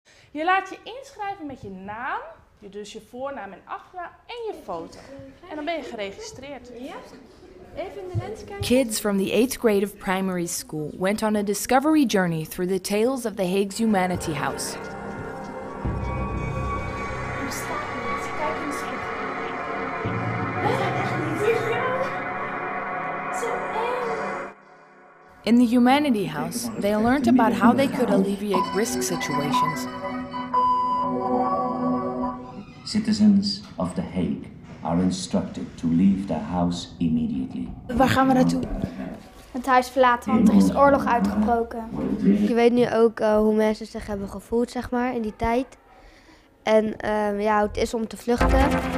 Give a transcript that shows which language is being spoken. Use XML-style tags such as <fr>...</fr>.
<nl>Je laat je inschrijven met je naam, dus je voornaam en achternaam en je foto. En dan ben je geregistreerd. Ja. Even in de lens kijken.</nl> <en>Kids from the 8th grade of primary school went on a discovery journey through the tales of the Hague's Humanity House. In the Humanity House, they learned about how they could alleviate risk situations. Citizens of The Hague are instructed to leave the house immediately.</en> <nl>Waar gaan we naartoe? Het huis verlaten, want er is oorlog uitgebroken. Je weet nu ook hoe mensen zich hebben gevoeld, zeg maar, in die tijd. En hoe het is om te vluchten.</nl>